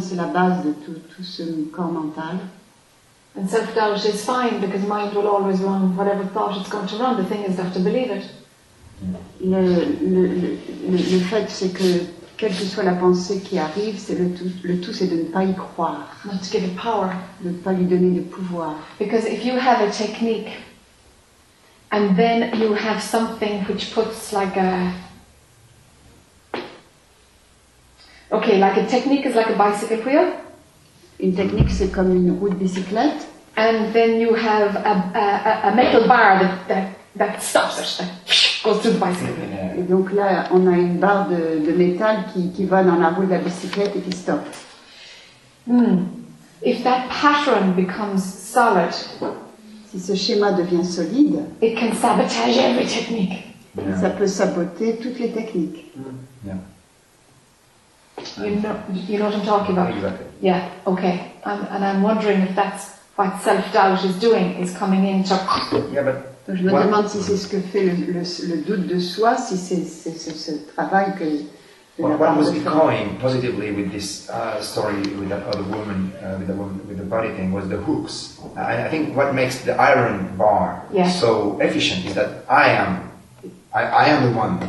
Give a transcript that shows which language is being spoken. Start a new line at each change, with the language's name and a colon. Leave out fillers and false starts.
French: C'est la base de tout ce corps mental.
English: And self-doubt is fine because mind will always run whatever thought it's going to run. The thing is, you have to believe it.
French: Le fait, c'est que quelle que soit la pensée qui arrive, c'est le tout, c'est de ne pas y croire.
English: Not to give it power.
French: De ne pas lui donner le pouvoir.
English: Because if you have a technique, and then you have something which puts like a. Okay, like a technique is like a bicycle wheel.
French: Une technique, c'est comme une roue de bicyclette.
English: And then you have a metal bar that That stops it. Goes to the bicycle. Yeah.
French: Et donc là, on a une barre de métal qui va dans la roue de la bicyclette et qui stoppe.
English: Hmm. If that pattern becomes solid,
French: si ce schéma devient solide,
English: it can sabotage every technique. Yeah.
French: Ça peut saboter toutes les techniques.
English: Mm. Yeah. You know what I'm talking about? Exactly. Yeah, okay. And I'm wondering if that's what self-doubt is doing, is coming in to... Yeah, but
French: je me demande si c'est ce que fait le doute de soi, si c'est ce travail que...
English: What was going positively with this story with that other woman, with the body thing, was the hooks. I think what makes the iron bar yeah. so efficient is that I am the one.